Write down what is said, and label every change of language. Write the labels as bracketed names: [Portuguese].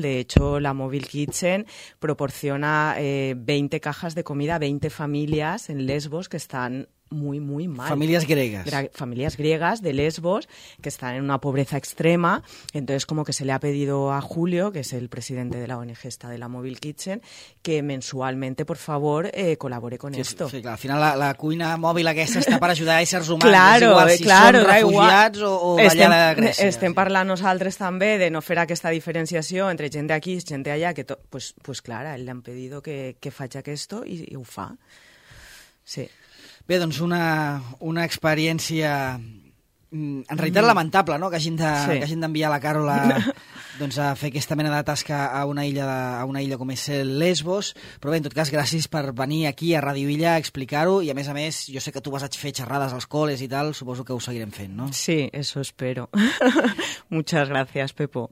[Spanish] De hecho, la Mobile Kitchen proporciona 20 cajas de comida a 20 familias en Lesbos que están muy, muy mal. Familias griegas. Familias griegas de Lesbos, que están en una pobreza extrema. Entonces, como que se le ha pedido a Julio, que es el presidente de la ONG esta de la Mobile Kitchen, que mensualmente, por favor, colabore con esto. [Catalan] Sí, clar. Al final, la cuina mòbil aquesta està per ajudar a éssers humans. [Spanish] Claro, claro. [Catalan] Si són refugiats o d'allà de Grècia. Estem parlant nosaltres també de no fer aquesta diferenciació entre gent d'aquí i gent d'allà. Pues clar, a ell li han pedit que faci aquesto i ho fa. Sí. Bé, doncs una experiència, en realitat, lamentable, no? Que hagin d'enviar la Carola doncs, a fer aquesta mena de tasca a una illa com és Lesbos. Però bé, en tot cas, gràcies per venir aquí a Ràdio Illa a explicar-ho. I a més, jo sé que tu vas a fer xerrades als col·les i tal, suposo que ho seguirem fent, no? [Spanish] Sí, eso espero. Muchas gracias, Pepo.